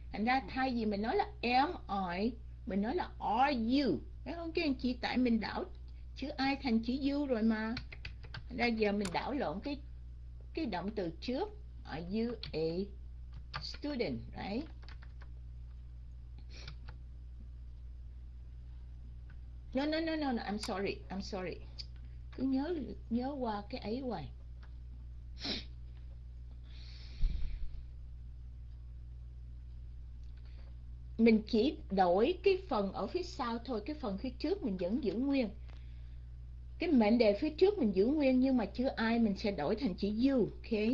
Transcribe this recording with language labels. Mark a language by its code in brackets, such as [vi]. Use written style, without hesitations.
[vi] Thành ra thay vì mình nói là [en] am I, [vi] mình nói là [en] are you, [vi] phải không các anh chị? Tại mình đảo chữ I thành chữ you rồi mà. Thành ra giờ mình đảo lộn cái động từ trước, [en] are you a student, right? No, no, no, no, no, I'm sorry, I'm sorry. [vi] Cứ nhớ, nhớ qua cái ấy hoài. Mình chỉ đổi cái phần ở phía sau thôi, cái phần phía trước mình vẫn giữ nguyên. Cái mệnh đề phía trước mình giữ nguyên, nhưng mà chữ I mình sẽ đổi thành chữ you, ok?